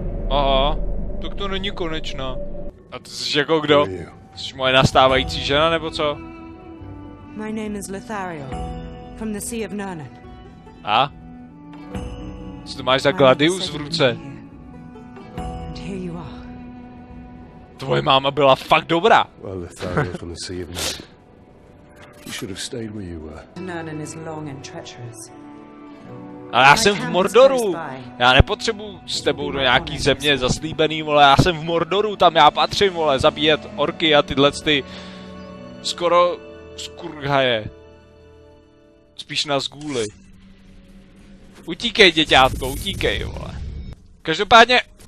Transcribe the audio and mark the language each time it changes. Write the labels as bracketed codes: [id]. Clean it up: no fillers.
[cs] Aha, tak to není konečná. A ty jsi jako kdo? Jsi moje nastávající žena, nebo co? [en] My name is Lothario, from the Sea of Nernan. [cs] A? Co to máš za Gladius v ruce? [en] And here you are. [cs] Tvoje máma byla fakt dobrá. [en] Well, Lothario from the Sea of Nernan. You should have stayed where you were. Nernan is long and treacherous. [cs] Ale já jsem v Mordoru. Já nepotřebuji s tebou do nějaký země zaslíbený, vole. Já jsem v Mordoru, tam já patřím, vole. Zabíjet orky a tyhle ty... Skoro... Skurhaje. Spíš na zgůly. Utíkej, děťátko, utíkej, vole. Každopádně...